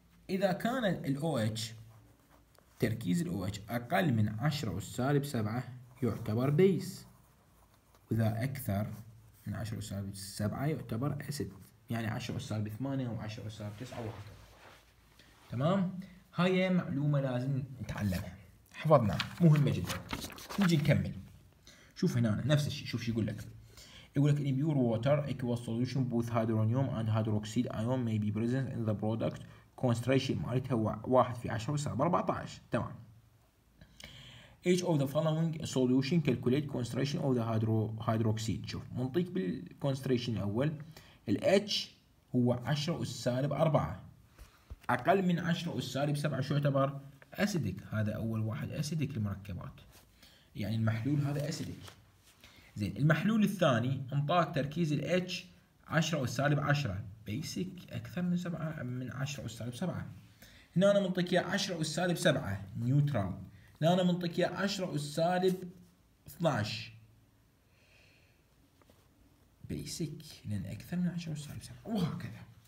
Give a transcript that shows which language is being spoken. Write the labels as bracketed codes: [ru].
[ar] اذا كان الاو اتش تركيز الاو اتش اقل من 10 سالب 7 يعتبر بيس، واذا اكثر من 10 سالب 7 يعتبر اسيد، يعني 10 سالب 8 او 10 سالب 9 او هكذا تمام. هاي معلومه لازم نتعلمها حفظناها مهمه جدا. نجي نكمل شوف هنا نفس الشيء. شوف شو يقول لك، يقول لك [en] in pure water equal solution both hydronium and hydroxide ion may be present in the product concentration [ar] مالتها 1 في 10 سالب 14 تمام. [en] each of the following solution calculate concentration of the hydroxide. [ar] شوف منطيك بالconcentration الأول ال H هو 10 سالب 4 أقل من 10 سالب 7 شو يعتبر؟ acidic. هذا أول واحد acidic المركبات، يعني المحلول هذا acidic. زين المحلول الثاني انطاك تركيز ال H 10 أس سالب 10 بيسك أكثر من 7 من 10 أس سالب 7، هنا أنا منطقية 10 أس سالب 7 نيوترال، هنا أنا منطقية 10 أس سالب 12 بيسك لأن أكثر من 10 أس سالب 7 وهكذا.